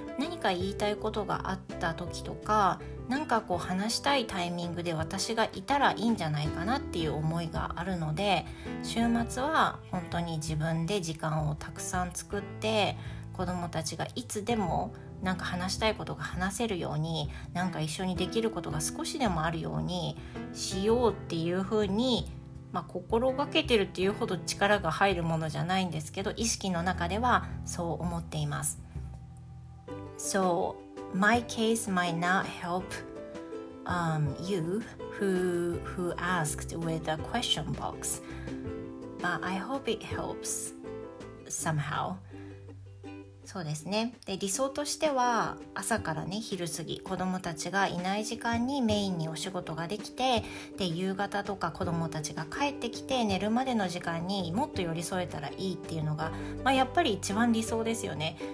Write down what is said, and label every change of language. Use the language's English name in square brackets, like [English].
[Japanese] 何か言いたいことがあった時とか、なんかこう話したいタイミングで私がいたらいいんじゃないかなっていう思いがあるので、週末は本当に自分で時間をたくさん作って、子供たちがいつでもなんか話したいことが話せるように、なんか一緒にできることが少しでもあるようにしようっていうふうに、まあ、心がけてるっていうほど力が入るものじゃないんですけど、意識の中ではそう思っています。 [English] So, my case might not help you who asked with a question box, but I hope it helps somehow. [Japanese] そうですね。で、理想としては朝からね昼過ぎ、子供たちがいない時間にメインにお仕事ができて、で夕方とか子供たちが帰ってきて寝るまでの時間にもっと寄り添えたらいいっていうのが、まあ、やっぱり一番理想ですよね。